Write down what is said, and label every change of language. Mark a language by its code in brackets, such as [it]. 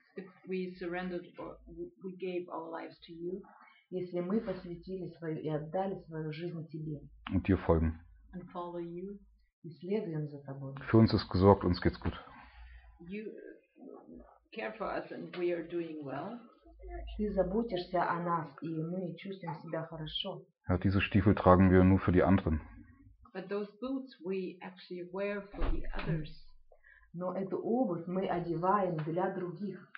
[en] If we surrendered or we gave our lives to you. [ru] Если мы посвятили свою и отдали свою жизнь тебе. [de] Und dir folgen. [en] And follow you. [ru] И следуем за тобой. [de] Für uns ist gesorgt, uns geht's gut. [en] You care for us and we are doing well. [ru] Ты заботишься о нас, и мы чувствуем себя хорошо. [de] Ja, diese Stiefel tragen wir nur für die anderen. [en] But those boots we actually wear for the others. [ru] Но эту обувь мы одеваем для других.